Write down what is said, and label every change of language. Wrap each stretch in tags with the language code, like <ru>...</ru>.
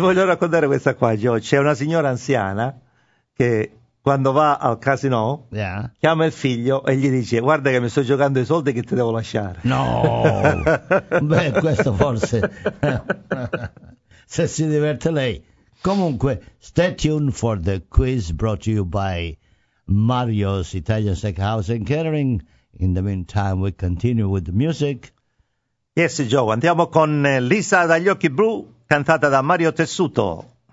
<it>voglio raccontare questa qua, Gio. C'è una signora anziana che quando va al casinò, yeah, chiama il figlio e gli dice: guarda che mi sto giocando i soldi che ti devo lasciare. No, beh, questo forse se si diverte lei.</it> <en>Comunque, stay tuned for the quiz brought to you by Mario's Italian Steakhouse and Catering. In the meantime, we continue with the music.</en> <it>Yes, Joe, andiamo con Lisa dagli occhi blu, cantata da Mario Tessuto.</it>